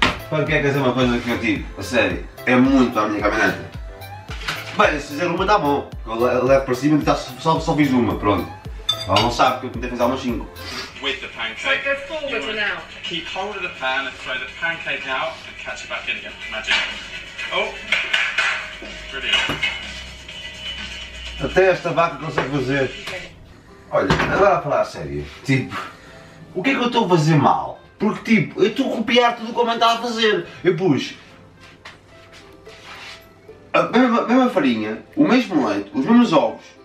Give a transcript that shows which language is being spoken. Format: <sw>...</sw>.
<pt>Panquecas é uma coisa que eu tive, a sério, é muito à minha caminhonete. Bem, se fizer uma está bom, eu levo para cima e só fiz uma, pronto. Ela não sabe que eu tentei fazer umas 5.</pt> <en>With the pancake, so go forward now. Keep hold of the pan and throw the pancake out and catch it back in again, magic. Oh, brilliant.</en> <pt>Até esta vaca consegue fazer. Olha, agora a falar a sério, tipo, o que é que eu estou a fazer mal? Porque, tipo, eu estou a copiar tudo o que a mãe está a fazer. Eu pus a mesma farinha, o mesmo leite, os mesmos ovos.</pt>